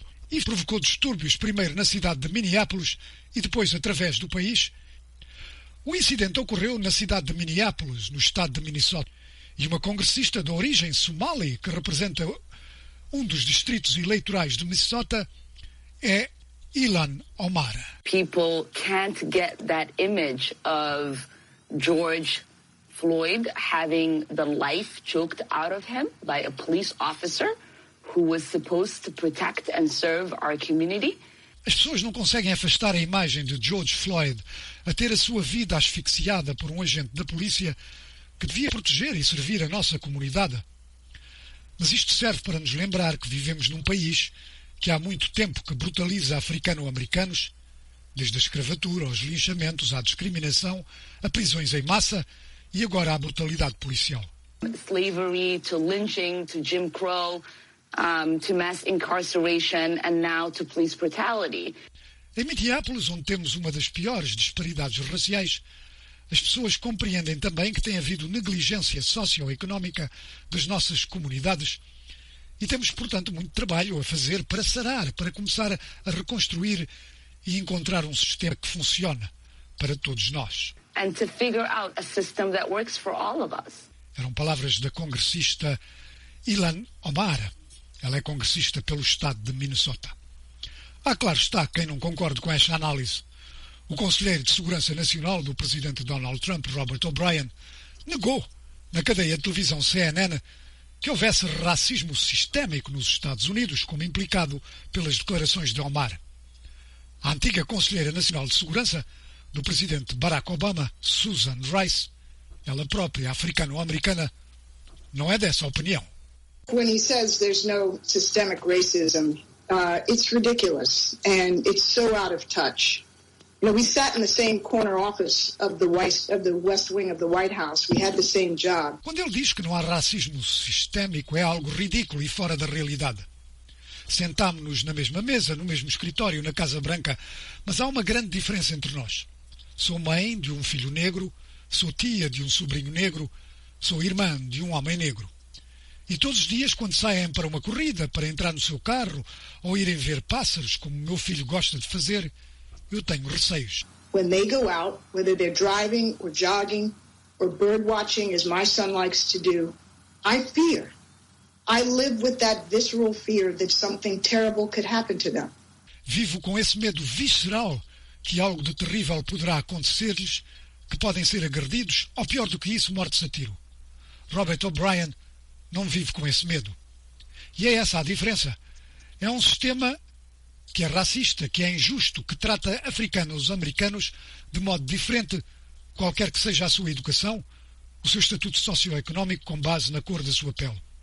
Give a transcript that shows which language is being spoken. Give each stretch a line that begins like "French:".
Portuguese: E provocou distúrbios, primeiro na cidade de Minneapolis e depois através do país. O incidente ocorreu na cidade de Minneapolis, no estado de Minnesota, e uma congressista de origem somali, que representa um dos distritos eleitorais de Minnesota, é Ilhan Omar.
English: People can't get that image of George Floyd having the life choked out of him by a police officer who was supposed to protect and serve our community.
Portuguese: As pessoas não conseguem afastar a imagem de George Floyd a ter a sua vida asfixiada por um agente da polícia que devia proteger e servir a nossa comunidade. Mas isto serve para nos lembrar que vivemos num país que há muito tempo que brutaliza africano-americanos desde a escravatura aos linchamentos, à discriminação, a prisões em massa e agora à brutalidade policial.
English: Slavery, to lynching, to Jim Crow, to mass incarceration and now to police brutality.
Portuguese: Em Minneapolis, onde temos uma das piores disparidades raciais, as pessoas compreendem também que tem havido negligência socioeconómica das nossas comunidades e temos, portanto, muito trabalho a fazer para sarar, para começar a reconstruir e encontrar um sistema que funcione para todos nós.
English: And to figure out a system that works for all of us.
Portuguese: Eram palavras da congressista Ilhan Omar. Ela é congressista pelo estado de Minnesota. Ah, claro está, quem não concorde com esta análise. O conselheiro de Segurança Nacional do presidente Donald Trump, Robert O'Brien, negou na cadeia de televisão CNN que houvesse racismo sistémico nos Estados Unidos, como implicado pelas declarações de Omar. A antiga conselheira nacional de segurança do presidente Barack Obama, Susan Rice, ela própria africano-americana, não é dessa opinião.
English: When he says there's no systemic racism, it's ridiculous and it's so out of touch. You know, we sat in the same corner office of the West Wing of the White House. We had the same job.
Portuguese: Quando ele diz que não há racismo sistémico, é algo ridículo e fora da realidade. Sentámo-nos na mesma mesa, no mesmo escritório, na Casa Branca, mas há uma grande diferença entre nós. Sou mãe de um filho negro, sou tia de um sobrinho negro, sou irmã de um homem negro. E todos os dias, quando saem para uma corrida, para entrar no seu carro, ou irem ver pássaros, como o meu filho gosta de fazer, eu tenho receios.
English: When they go out, whether they're driving or jogging or bird watching, as my son likes to do, I fear. I live with that visceral fear that something terrible could happen to them.
Portuguese: Vivo com esse medo visceral que algo de terrível poderá acontecer-lhes, que podem ser agredidos ou, pior do que isso, mortos a tiro. Robert O'Brien não vive com esse medo. E é essa a diferença. É um sistema que é racista, que é injusto, que trata africanos e americanos de modo diferente, qualquer que seja a sua educação, o seu estatuto socioeconómico com base na cor da sua pele.